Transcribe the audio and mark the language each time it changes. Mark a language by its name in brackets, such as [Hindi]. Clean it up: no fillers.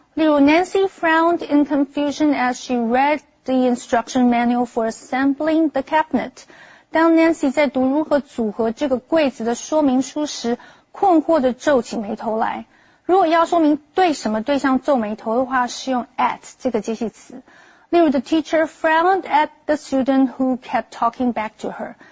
[Chinese] 例如 [English] Nancy frowned in confusion as she read the instruction manual for assembling the cabinet. [Chinese] 当 Nancy 在读如何组合这个柜子的说明书时困惑地皱起眉头来。如果要说明对什么对象皱眉头的话，是用 at 这个介系词。例如 [English] ，The teacher frowned at the student who kept talking back to her。